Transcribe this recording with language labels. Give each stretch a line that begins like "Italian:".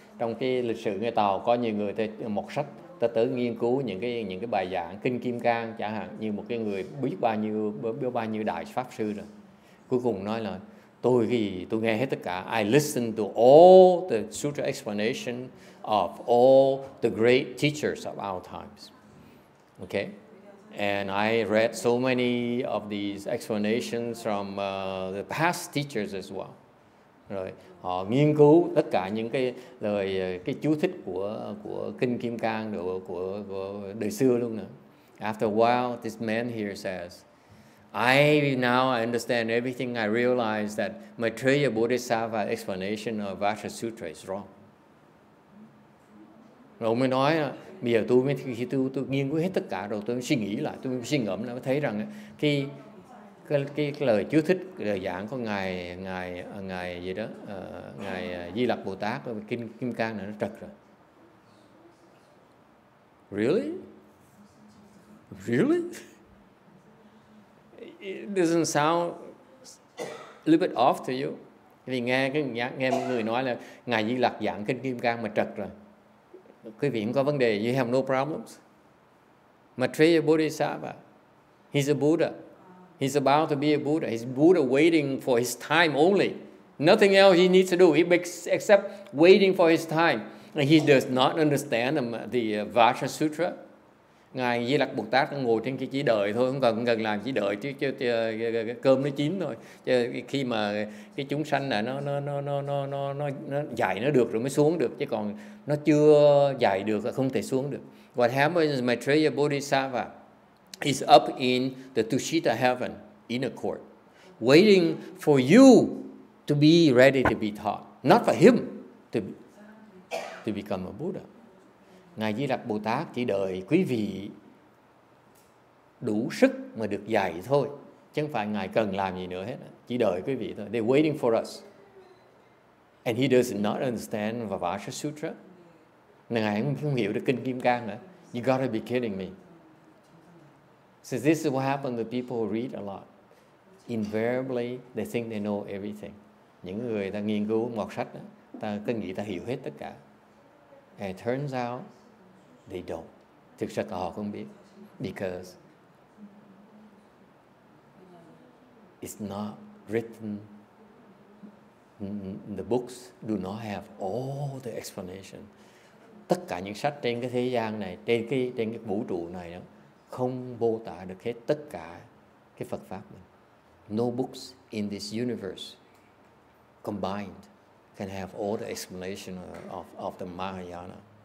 Vietnamese: Trong cái lịch sử người Tàu có nhiều người mọc sách, ta tới nghiên cứu những cái bài giảng Kinh Kim Cang, chẳng hạn như một cái người biết bao nhiêu đại pháp sư rồi. Cuối cùng nói là, tôi nghe hết tất cả.
English: I listened to all the sutra explanation of all the great teachers of our times. Okay? And I read so many of these explanations from the past teachers as well.
Vietnamese: Rồi họ nghiên cứu tất cả những cái lời cái chú thích của kinh Kim Cang đồ của đời xưa luôn nữa.
English: After a while, this man here says, I understand everything. I realize that Maitreya Bodhisattva explanation of Vajra Sutra is wrong.
Vietnamese: Rồi ông mới nói, bây giờ tôi mới khi tôi nghiên cứu hết tất cả rồi tôi mới suy nghĩ lại, tôi mới suy ngẫm lại, mới thấy rằng cái lời chú thích lời giảng của ngài gì đó ngài Di Lặc Bồ Tát kinh Kim Cang này nó trật rồi.
English: Really? It doesn't sound a little bit off to you.
Vietnamese: Vì nghe người nói là ngài Di Lặc giảng kinh Kim Cang mà trật rồi. Quý vị không có vấn đề,
English: you have no problems. Maitreya Bodhisattva, he's a Buddha. He's about to be a Buddha. He's Buddha waiting for his time only. Nothing else he needs to do except waiting for his time. And he does not understand the Vajra Sutra.
Vietnamese: Ngài Di Lặc Bồ Tát ngồi trên cái chỉ đợi thôi, không cần làm chỉ đợi chứ cơm nó chín thôi. Chứ khi mà cái chúng sanh là nó dạy nó được rồi mới xuống được, chứ còn nó chưa dạy được là không thể xuống được.
English: What happens is Maitreya Bodhisattva is up in the Tushita heaven, inner court, waiting for you to be ready to be taught, not for him to become a Buddha.
Vietnamese: Ngài Di Lặc Bồ Tát chỉ đợi quý vị đủ sức mà được dạy thôi, chứ không phải ngài cần làm gì nữa hết, chỉ đợi quý vị thôi.
English: They're waiting for us. And he does not understand Vajra Sutra.
Vietnamese: Ngài không hiểu được kinh Kim Cang nữa.
English: You gotta be kidding me. So this is what happened to people who read a lot. Invariably, they think they know everything.
Vietnamese: Những người ta nghiên cứu một sách đó, ta cứ nghĩ ta hiểu hết tất cả.
English: And it turns out they don't.
Vietnamese: Thực sự họ không biết.
English: Because it's not written. The books do not have all the explanation.
Vietnamese: Tất cả những sách trên cái thế gian này, trên cái vũ trụ này đó, không mô tả được hết tất cả cái Phật Pháp mình.
English: No books in this universe combined can have all the explanation of the Mahayana.